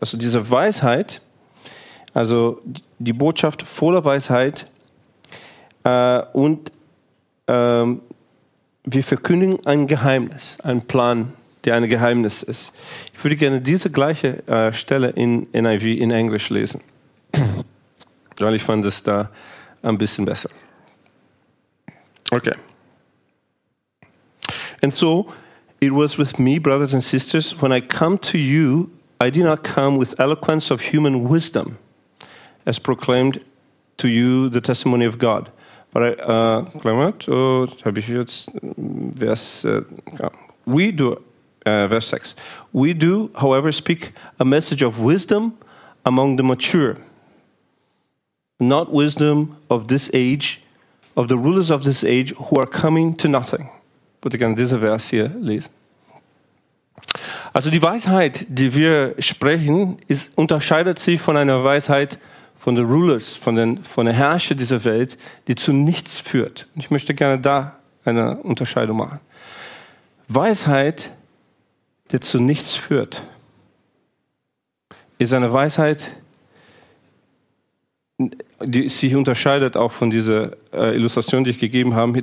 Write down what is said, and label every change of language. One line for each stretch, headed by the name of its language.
German: Also diese Weisheit, also die Botschaft voller Weisheit und wir verkündigen ein Geheimnis, einen Plan, der ein Geheimnis ist. Ich würde gerne diese gleiche Stelle in NIV in Englisch lesen, weil ich fand es da ein bisschen besser.
English: Okay. And so, it was with me, brothers and sisters, when I come to you, I did not come with eloquence of human wisdom, as proclaimed to you the testimony of God. But I, verse 6. We do, however, speak a message of wisdom among the mature, not wisdom of this age, of the rulers of this age who are coming to nothing.
German: Würde gerne diese Vers hier lesen. Also die Weisheit, die wir sprechen, unterscheidet sich von einer Weisheit von den Rulers, von den Herrschern dieser Welt, die zu nichts führt. Und ich möchte gerne da eine Unterscheidung machen. Weisheit, die zu nichts führt, ist eine Weisheit, die sich unterscheidet auch von dieser Illustration, die ich gegeben habe.